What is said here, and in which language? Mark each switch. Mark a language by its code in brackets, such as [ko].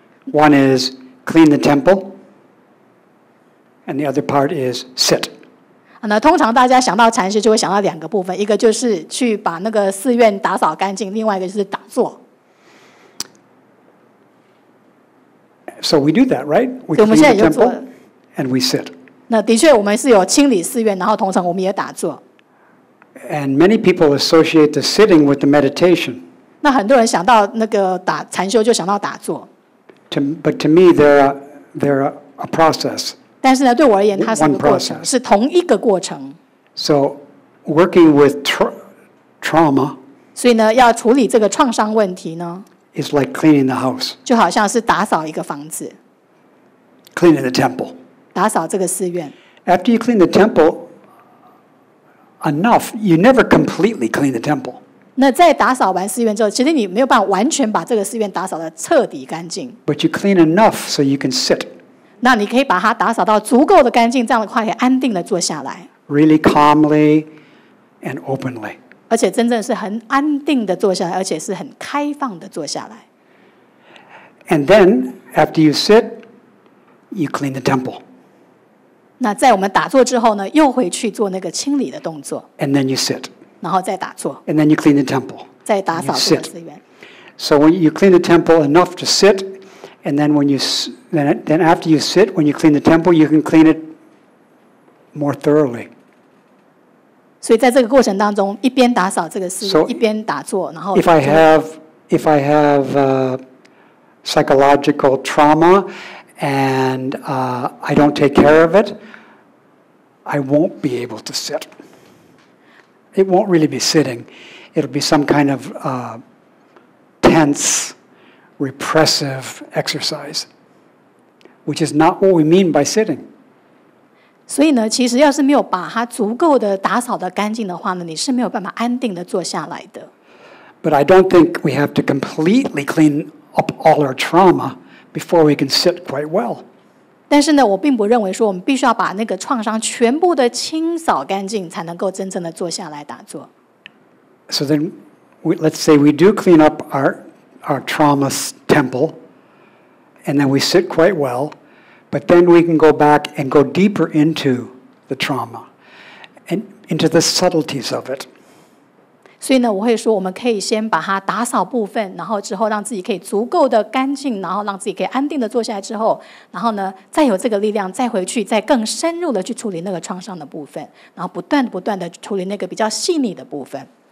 [en] One is clean the temple, and the other part is sit. [zh] 那通常大家想到禅修就会想到两个部分，一个就是去把那个寺院打扫干净，另外一个就是打坐。 [en] So we do that, right? We clean the temple and we sit. [zh] 那的确，我们是有清理寺院，然后通常我们也打坐。 [en] And many people associate the sitting with the meditation. [zh] 那很多人想到那个禅修就想到打坐。 [en] But to me, they're a process. [zh] 但是呢，对我而言，它是一个过程，是同一个过程。 [en] So working with trauma. [zh] 所以呢，要处理这个创伤问题呢。 [en] It's like cleaning the house. [zh] 就好像是打扫一个房子。 [en] Cleaning the temple. [zh] 打扫这个寺院。 [en] After you clean the temple enough, you never completely clean the temple. [zh] 那在打扫完寺院之后，其实你没有办法完全把这个寺院打扫的彻底干净。 [en] But you clean enough so you can sit. [zh] 那你可以把它打扫到足够的干净，这样的话可以安定的坐下来。 [en] Really calmly and openly. [zh] 而且真正是很安定的坐下来，而且是很开放的坐下来。 [en] And then after you sit, you clean the temple. [zh] 那在我们打坐之后呢，又回去做那个清理的动作。 [en] And then you sit. [zh] 然后再打坐。 [en] And then you clean the temple. [zh] 再打扫这个寺院。 [en] So when you clean the temple enough to sit, and then when you then after you sit, when you clean the temple, you can clean it more thoroughly. [zh] 所以在这个过程当中，一边打扫这个寺院，一边打坐，然后。 [en] If I have psychological trauma, and I don't take care of it, I won't be able to sit. It won't really be sitting. It'll be some kind of tense, repressive exercise, which is not what we mean by sitting. [zh] 所以呢，其实要是没有把它足够的打扫的干净的话呢，你是没有办法安定的坐下来的。 [en] But I don't think we have to completely clean up all our trauma before we can sit quite well. [zh] 但是呢，我并不认为说我们必须要把那个创伤全部的清扫干净，才能够真正的坐下来打坐。 [en] So then, let's say we do clean up our trauma temple, and then we sit quite well, but then we can go back and go deeper into the trauma, and into the subtleties of it. [zh] 所以呢，我会说，我们可以先把它打扫部分，然后之后让自己可以足够的干净，然后让自己可以安定的坐下来之后，然后呢，再有这个力量，再回去，再更深入的去处理那个创伤的部分，然后不断的处理那个比较细腻的部分。